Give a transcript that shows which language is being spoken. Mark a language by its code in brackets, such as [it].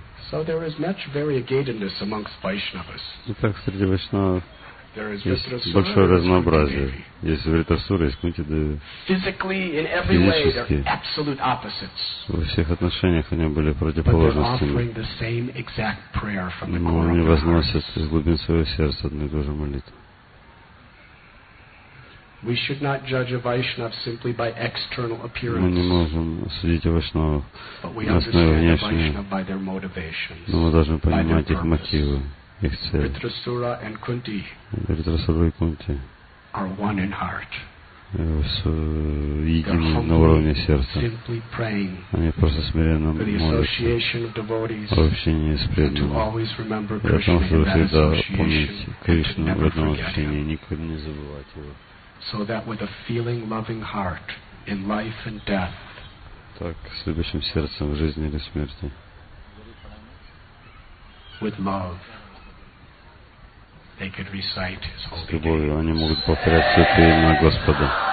[en] So there is much variegatedness amongst Vaishnavas. [ru] Итак, среди вайшнавов есть большое разнообразие. Есть Вритрасура, есть Кунти Деви. [en] Physically, in every way, they're absolute opposites. [ru] Во всех отношениях они были противоположностями. [en] But they're offering the same exact prayer from the core. [ru] Но они возносят из глубин своего сердца одну и ту же молитву. [en] We should not judge a Vaishnav simply by external appearance. [ru] Мы не можем судить Вайшнава на основе внешней. Но мы должны понимать их мотивы, их цели. [en] Ритрасура and Кунти. [ru] Ритрасура и Кунти. [en] Are one in heart. [ru] Едины на уровне сердца. [en] Simply praying. [ru] Они просто смиренно молятся. [en] For the association of devotees. And to always remember Krishna in that association. And never forget him. [ru] Никогда не забывать его. [en] So that with a feeling loving heart in life and death. [ru] Так, с любящим сердцем в жизни или смерти. [en] With love. they could recite his holy name. [ru] С любовью они могут повторять святое имя Господа.